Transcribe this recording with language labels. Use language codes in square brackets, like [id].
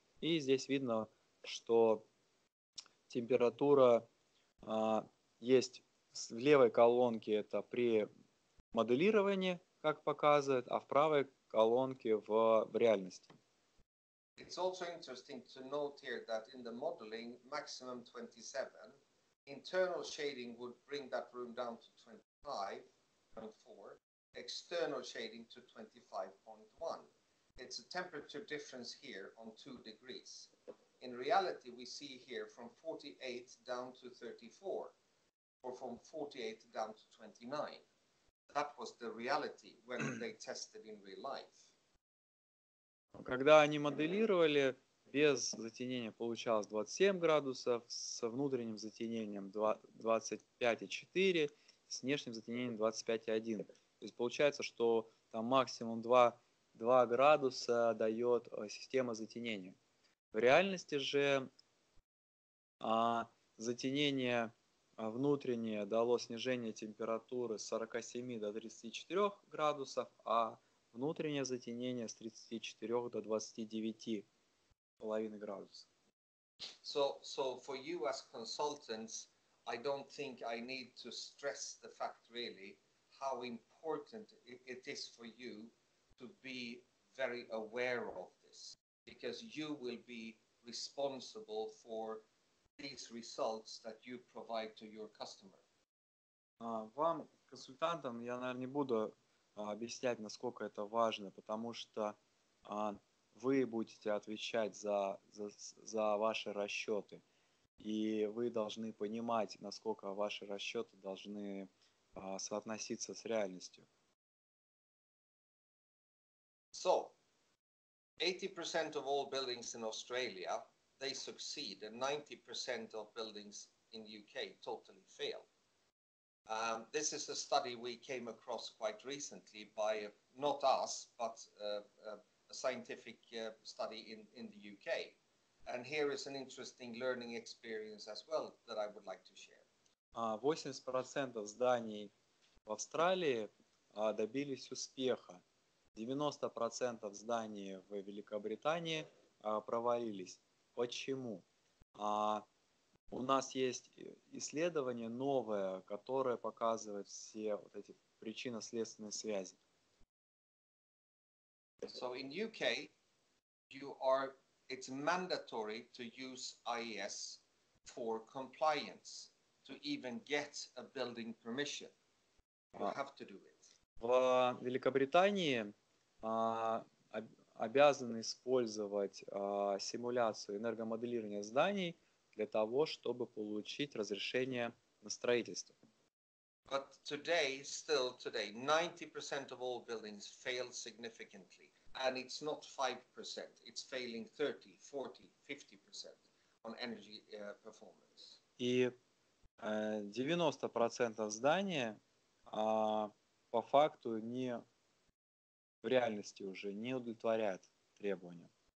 [ru] И здесь видно, что температура есть в левой колонке, это при моделировании, как показывает, а в правой колонке в реальности. [en] It's also interesting to note here that in the modeling, maximum 27, internal shading would bring that room down to 25.4, external shading to 25.1. It's a temperature difference here on 2 degrees. In reality, we see here from 48 down to 34. Or from 48 down to 29. That was the reality when they tested in real life. [ru] Когда они моделировали, без затенения получалось 27 градусов, с внутренним затенением 25,4, с внешним затенением 25,1. То есть получается, что там максимум 2 градуса дает система затенения. В реальности же затенение внутреннее дало снижение температуры с 47 до 34 градусов, а внутреннее затенение с 34 до 29,5 градусов. [en] So for you as consultants, I don't think I need to stress the fact really how important it is for you to be very aware of this, because you will be responsible for these results that you provide to your customer. [ru] Вам, консультантам, я, наверное, не буду объяснять, насколько это важно, потому что вы будете отвечать за ваши расчеты, и вы должны понимать, насколько ваши расчеты должны соотноситься с реальностью. [en] So, 80% of all buildings in Australia, they succeed, and 90% of buildings in UK totally fail. This is a study we came across quite recently by, not us, but a scientific study in the UK. And here is an interesting learning experience as well that I would like to share. [ru] 80% зданий в Австралии добились успеха. 90% зданий в Великобритании провалились. Почему? У нас есть исследование новое, которое показывает все вот эти причинно-следственные связи. [en] So in UK, it's mandatory to use IES for compliance, to even get a building permission. You have to do it. [ru] В Великобритании обязаны использовать симуляцию энергомоделирования зданий для того, чтобы получить разрешение на строительство. [en] But today, still today, 90% of all buildings fail significantly. And it's not 5%, it's failing 30, 40, 50% on energy performance. [ru] И 90% зданий по факту не в реальности уже не удовлетворяют требованиям.